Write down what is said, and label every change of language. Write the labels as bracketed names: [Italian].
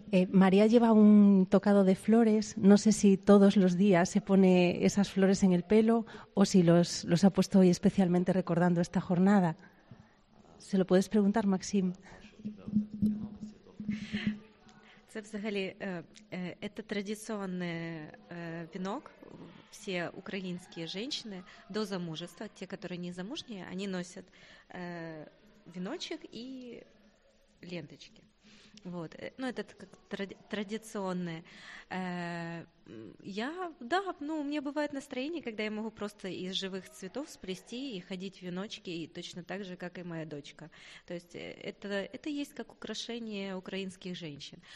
[Spanish] María lleva un tocado de flores. No sé si todos los días se pone esas flores en el pelo o si los ha puesto hoy especialmente recordando esta jornada. ¿Se lo puedes preguntar, Maxim? [Ukrainian] Це взагалі це традиційний вінок. Всі українські жінки до замужества, ті, які не замужні, вони носять віночок і ленточки. Вот. [Russian] Ну, это как традиционное. Мне бывает настроение, когда я могу просто из живых цветов сплести и ходить в веночки, и точно так же, как и моя дочка. То есть это есть как украшение украинских женщин.